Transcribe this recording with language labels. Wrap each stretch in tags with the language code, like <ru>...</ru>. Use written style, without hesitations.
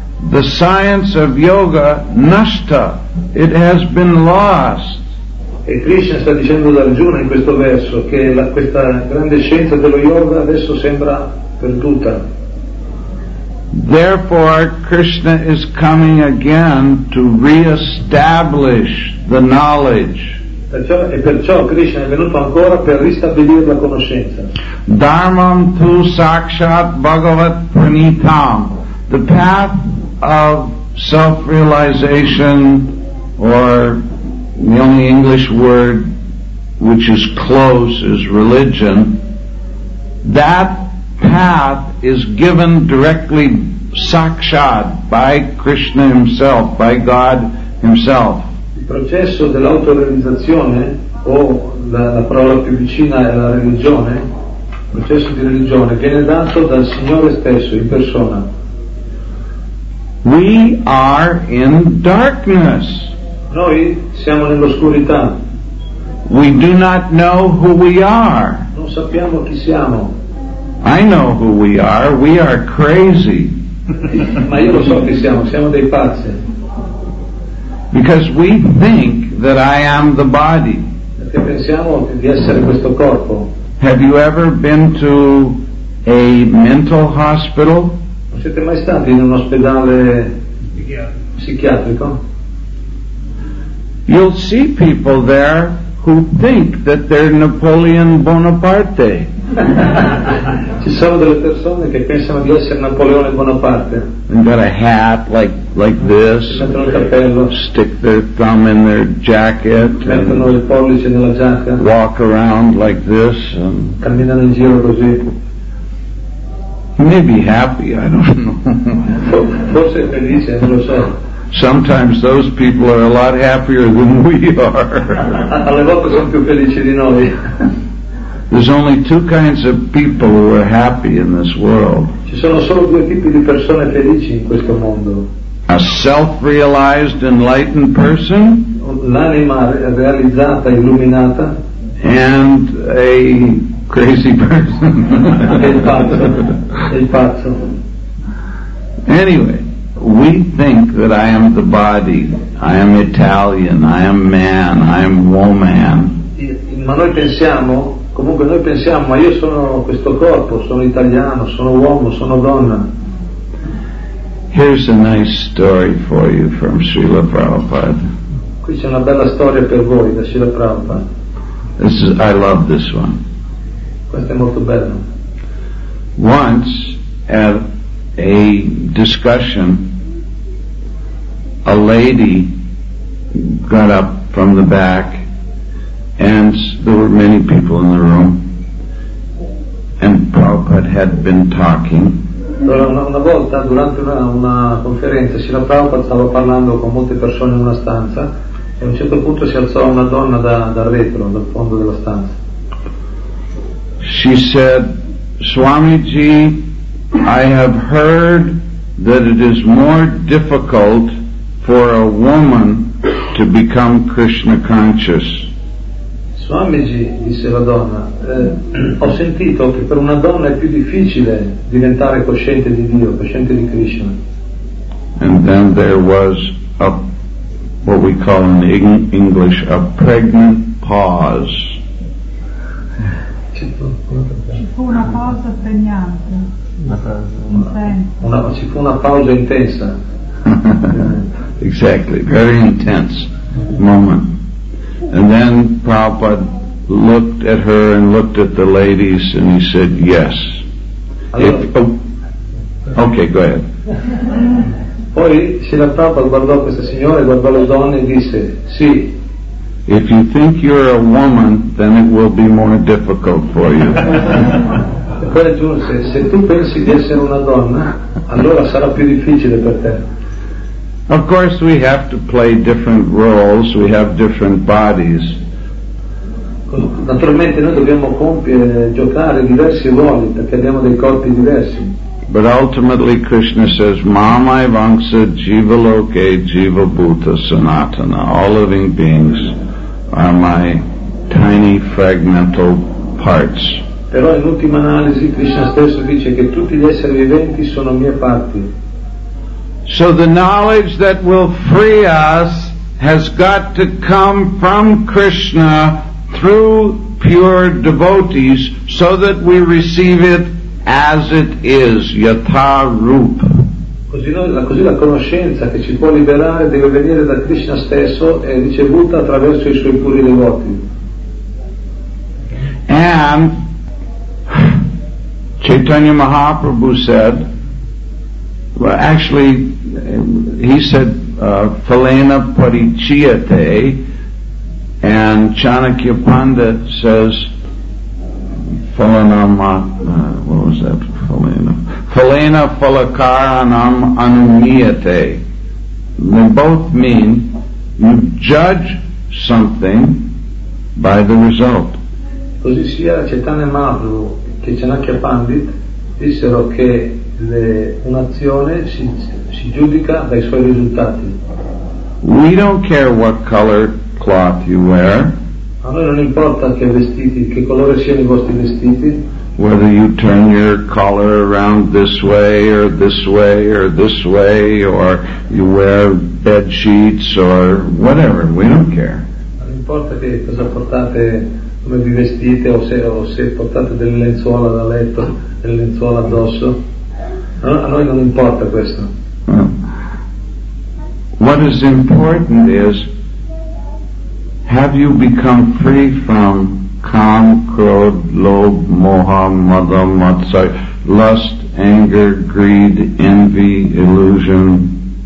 <en>The science of yoga nashta. It has been lost.</en> <it>E Krishna sta dicendo ad Arjuna in questo verso che questa grande scienza dello yoga adesso sembra perduta.</it> <en>Therefore Krishna is coming again to re-establish the knowledge.</en> <it>E perciò Krishna è venuto ancora per ristabilire la conoscenza.</it> <sa>Dharmam tu sakshat bhagavat pranitam.</sa> <en>The path of self-realization, or the only English word which is close is religion, that path is given directly sakshat by Krishna himself, by God himself.</en> <it>Il processo dell'autorealizzazione, o la parola più vicina è la religione, il processo di religione viene dato dal Signore stesso in persona.</it> <en>We are in darkness.</en> <it>Noi siamo nell'oscurità.</it> <en>We do not know who we are.</en> <it>Non sappiamo chi siamo.</it> <en>I know who we are. We are crazy.</en> <it>Ma io lo so chi siamo. Siamo dei pazzi.</it> <en>Because we think that I am the body.</en> <it>Perché pensiamo di essere questo corpo.</it> <en>Have you ever been to a mental hospital?</en> <it>Non siete mai stati in un ospedale psichiatrico?</it> <en>You'll see people there who think that they're Napoleon Bonaparte.</en> <it>Ci sono delle persone che pensano di essere Napoleone Bonaparte.</it> <en>And got a hat like this.</en> <it>Mettono il cappello.</it> <en>Stick their thumb in their jacket.</en> <it>Mettono il pollice nella giacca.</it> <en>Walk around like this. And</en> <it>camminano in giro così.</it> <en>Maybe happy, I don't know.</en> <it>Forse felice, non lo so.</it> <en>Sometimes those people are a lot happier than we are.</en> <it>Alle volte sono più felici di noi.</it> <en>There's only two kinds of people who are happy in this world.</en> <it>Ci sono solo due tipi di persone felici in questo mondo.</it> <en>A self-realized, enlightened person.</en> <it>L'anima realizzata, illuminata.</it> <en>And a crazy person.</en> <it>Il pazzo.</it> <en>Anyway. We think that I am the body, I am Italian, I am man, I am woman.</en> <it>Ma noi pensiamo, comunque noi pensiamo, ma io sono questo corpo, sono italiano, sono uomo, sono donna.</it> <en>Here's a nice story for you from Srila Prabhupada.</en> <it>Qui c'è una bella storia per voi da Srila Prabhupada.</it> <en>I love this one.</en> <it>Questa è molto bella.</it> <en>Once at a discussion, a lady got up from the back, and there were many people in the room, and Prabhupada had been talking.</en> <it>Una volta durante una conferenza Srila Prabhupada stava parlando con molte persone in una stanza, e a un certo punto si alzò una donna dal retro, dal fondo della stanza.</it> <en>She said, Swamiji, I have heard that it is more difficult for a woman to become Krishna conscious.</en> <it>Swamiji, disse la donna, ho sentito che per una donna è più difficile diventare cosciente di Dio, cosciente di Krishna.</it> <en>And then there was a what we call in English a pregnant pause.</en> <it>Ci fu una pausa intensa.</it> <en>Exactly, very intense moment. And then Prabhupada looked at her and looked at the ladies and he said, yes.</en> <it>Allora,</it> <en>go ahead.</en> <it>Poi Srila Prabhupada guardò questa signora e guardò le donne e disse, sì.</it> <en>If you think you're a woman, then it will be more difficult for you.</en> <it>E poi aggiunse, se tu pensi di essere una donna, allora sarà più difficile per te.</it> <en>Of course we have to play different roles, we have different bodies.</en> <it>Naturalmente noi dobbiamo compiere, giocare diversi ruoli perché abbiamo dei corpi diversi.</it> <en>But ultimately Krishna says,</en> <sa>Mamai Vamsa Jiva Loke Jiva Bhuta Sanatana.</sa> <en>All living beings are my tiny fragmental parts.</en> <it>Però in ultima analisi Krishna stesso dice che tutti gli esseri viventi sono mie parti.</it> <en>So the knowledge that will free us has got to come from Krishna through pure devotees so that we receive it as it is,</en> <sa>yatha rup.</sa> <it>Così la conoscenza che ci può liberare deve venire da Krishna stesso e ricevuta attraverso i suoi puri devoti.</it> <en>And Chaitanya Mahaprabhu said, well, actually, he said,</en> <sa>phalena parichyate,</sa> <en>and Chanakya Pandit says,</en> <sa>phalena phalakaranam anumiyate.</sa> <en>They both mean, you judge something by the result.</en> <it>Così sia Chaitanya Mahaprabhu che Chanakya Pandit dissero che un'azione si giudica dai suoi risultati.</it> <en>We don't care what color cloth you wear.</en> <it>A noi non importa che vestiti, che colore siano i vostri vestiti.</it> <en>Whether you turn your collar around this way or this way or this way, or you wear bed sheets or whatever, we don't care.</en> <it>Non importa che cosa portate, come vi vestite, o se portate delle lenzuola da letto, delle lenzuola addosso. A noi non importa questo.</it> <en>What is important is, have you become free from kam, krodh, lobh, moha, mada, matsari, lust, anger, greed, envy, illusion?</en>